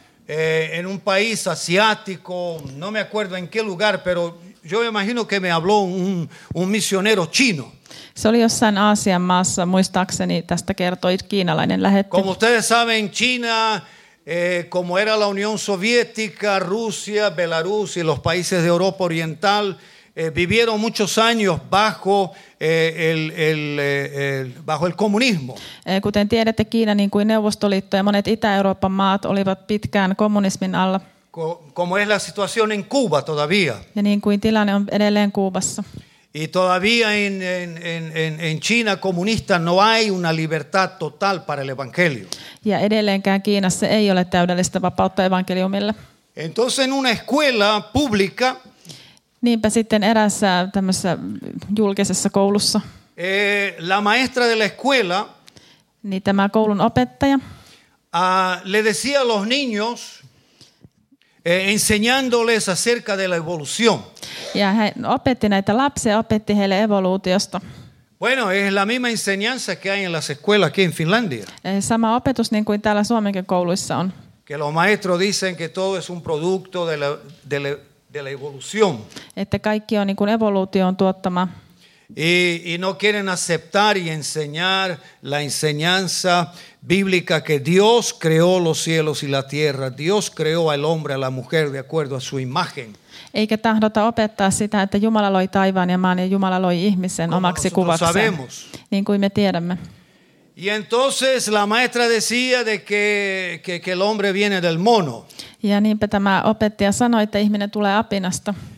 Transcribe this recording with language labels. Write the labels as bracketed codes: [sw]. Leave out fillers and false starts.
[es] En un país asiático, no me acuerdo en qué lugar, pero yo me imagino que me habló un misionero chino. [fi] Se oli jossain Aasian maassa, muistaakseni tästä kertoi kiinalainen lähetti. [es] Como ustedes saben, China, como era la Unión Soviética, Rusia, Belarus y los países de Europa Oriental, vivieron muchos años bajo el comunismo. [fi] Kuten tiedätte, Kiina, niin kuin Neuvostoliitto ja monet Itä-Euroopan maat olivat pitkään kommunismin alla. [es] Como es la situación en Cuba todavía. [fi] Ja niin kuin tilanne on edelleen Kuubassa. [es] Y todavía en China comunista no hay una libertad total para el evangelio. [fi] Ja edelleenkään Kiinassa ei ole täydellistä vapautta evankeliumille. [es] Entonces en una escuela pública. [fi] Niinpä sitten erässä tämmössä julkisessa koulussa. [es] La maestra de la escuela. [fi] Niin tämä koulun opettaja. [es] Le decía a los niños. Enseñándoles acerca de la evolución. [fi] Ja hän opetti näitä lapsia, opetti heille evoluutiosta. [es] Bueno, es la misma enseñanza que hay en las escuelas aquí en Finlandia. [fi] Sama opetus niin kuin täällä Suomenkin kouluissa on. [es] Que los maestros dicen que todo es un producto de la evolución. [fi] Että kaikki on niin kuin evoluution tuottama. [es] Y no quieren aceptar y enseñar la enseñanza bíblica que Dios creó los cielos y la tierra. Dios creó al hombre y a la mujer de acuerdo a su imagen. [fi] Eikä tahdota opettaa sitä, että Jumala loi taivaan ja maan ja Jumala loi ihmisen omaksi kuvakseen. Niin kuin me tiedämme. [es] Y entonces la maestra decía de que el hombre viene del mono. [fi] Ja niinpä tämä opettaja sanoi, että ihminen tulee apinasta.